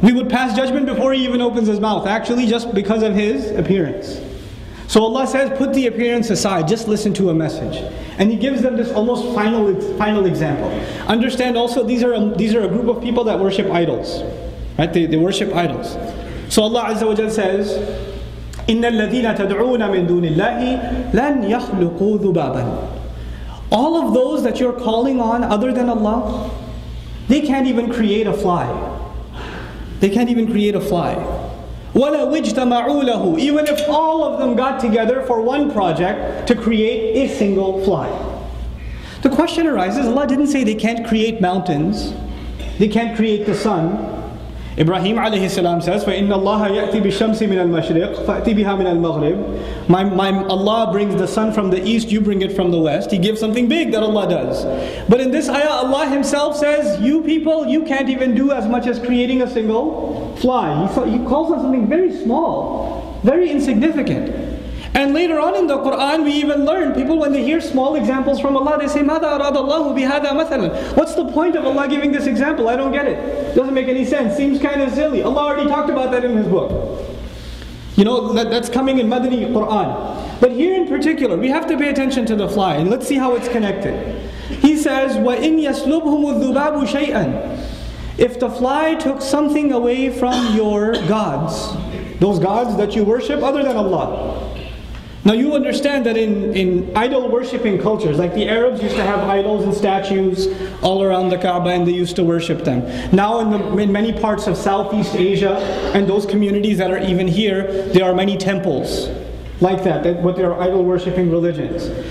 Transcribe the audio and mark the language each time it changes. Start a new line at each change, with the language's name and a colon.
English: We would pass judgment before he even opens his mouth, actually just because of his appearance. So Allah says, put the appearance aside, just listen to a message. And he gives them this almost final example. Understand also, these are a group of people that worship idols. Right? They worship idols. So Allah Azza wa Jalla says,
Arabic: إِنَّ الَّذِينَ تَدْعُونَ مِن دُونِ اللَّهِ لَنْ يَخْلُقُوا ذُبَابًا.
English: All of those that you're calling on other than Allah, they can't even create a fly. They can't even create a fly.
Arabic: وَلَوْ اجْتَمَعُوا لَهُ.
English: Even if all of them got together for one project to create a single fly. The question arises, Allah didn't say they can't create mountains. They can't create the sun. Ibrahim alayhi salam says,
Arabic: فَإِنَّ اللَّهَ يَأْتِ بِالشَّمْسِ مِنَ الْمَشْرِقِ فَأْتِ بِهَا مِنَ الْمَغْرِبِ.
English: My Allah brings the sun from the east, you bring it from the west. He gives something big that Allah does. But in this ayah, Allah himself says, you people, you can't even do as much as creating a single fly. He calls on something very small, very insignificant. And later on in the Quran, we even learn, people when they hear small examples from Allah, they say,
Arabic: مَاذَا أَرَادَ اللَّهُ بِهَذَا مَثَلًا.
English: What's the point of Allah giving this example? I don't get it. Doesn't make any sense. Seems kind of silly. Allah already talked about that in His book. You know, that's coming in Madani Quran. But here in particular, we have to pay attention to the fly, and let's see how it's connected. He says,
Arabic: وَإِنْ يَسْلُبْهُمُ الذُّبَابُ شَيْئًا.
English: If the fly took something away from your gods, those gods that you worship other than Allah. Now you understand that in idol worshipping cultures, like the Arabs used to have idols and statues all around the Kaaba and they used to worship them. Now in many parts of Southeast Asia and those communities that are even here, there are many temples like that, what they are idol worshipping religions.